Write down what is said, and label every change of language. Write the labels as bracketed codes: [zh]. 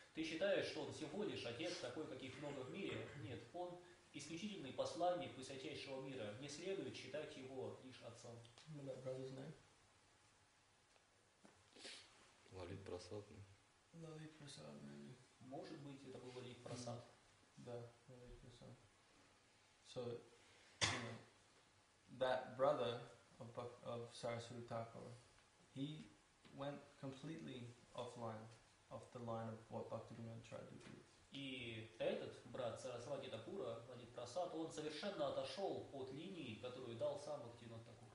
[ru] Ты считаешь, что он всего лишь отец, такой, каких много в мире? Нет, он исключительный посланник высочайшего мира. Не следует считать его лишь отцом». Да, правда, знаю. Лалит Прасадный. Лалит Прасадный. Может быть, это был Лалит Прасад. Да, Лалит Прасад. [en] So, you know, that brother of Saraswati Thakur, he went completely offline of the line of what Bhaktivinoda tried to do. [ru] И этот брат Сарасвати Такура, Лалит Прасад, он совершенно отошел от линии, которую дал сам Бхактивинода Такур.